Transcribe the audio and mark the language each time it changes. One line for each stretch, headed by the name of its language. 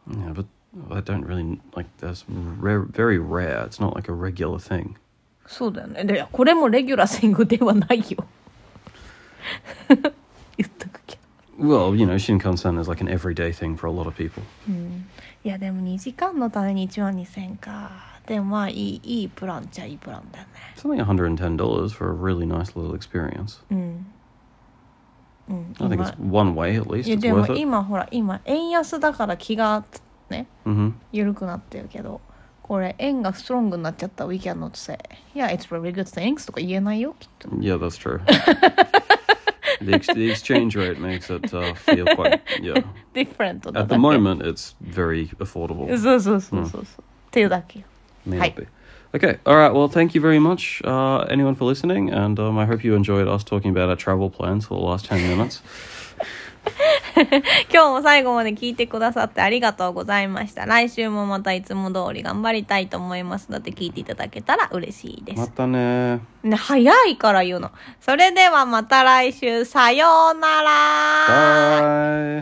English: Yeah, but I don't really, like, that's very rare. It's not like a regular thing.
Japanese: そうだよね。で、これもレギュラーシングではないよ。言っとくけど。
English: Well, you know, Shinkansen is like an everyday thing for a lot of people.
Japanese: いや、でも2時間のために1万2000か。でもまあいいプランじゃいいプランだね。
English: It's only $110 for a really nice little experience.
Japanese: うん。うん。
English: I think it's one way at least.
Japanese: でも今ほら今円安だから気がね、緩くなってるけど、これ円がストロングになっちゃった weekend のせい。
English: Yeah, it's really good things
Japanese: とか言えないよきっと。
English: Yeah, that's true. The exchange rate makes it feel quite different. At the moment, it's very affordable.
Japanese: そうそうそうそう。っていうだけ。
English: May not be. Okay, all right, well, thank you very much, anyone, for listening, and I hope you enjoyed us talking about our travel plans for the last 10 minutes.
Japanese: 今日も最後まで聞いてくださってありがとうございました。来週もまたいつも通り頑張りたいと思いますので、聞いていただけたら嬉しいです。またね。ね、早いから言うの。それではまた来週、さようなら。